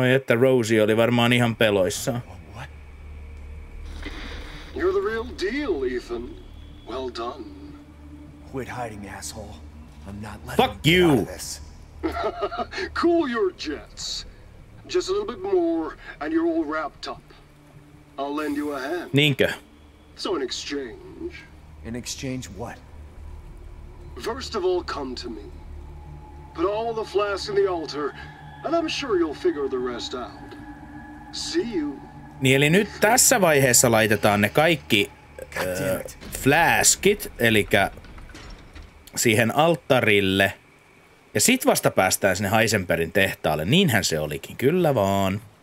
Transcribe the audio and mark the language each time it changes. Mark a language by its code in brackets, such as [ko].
[fi] Voi että Rosie oli varmaan ihan peloissaan. [en] You're the real deal, Ethan. Well done. Quit hiding, asshole. I'm not letting fuck you out of this. Cool your jets. Just a little bit more and you're all wrapped up. I'll lend you a hand. [fi] Niinkö? [en] So in exchange. In exchange what? First of all, come to me. Put all the flasks in the altar, and I'm sure you'll figure the rest out. See you. [fi] Niin eli nyt tässä vaiheessa laitetaan ne kaikki flaskit, eli siihen alttarille. Ja sit vasta päästään sinne Heisenbergin tehtaalle. Niinhän se olikin. Kyllä vaan.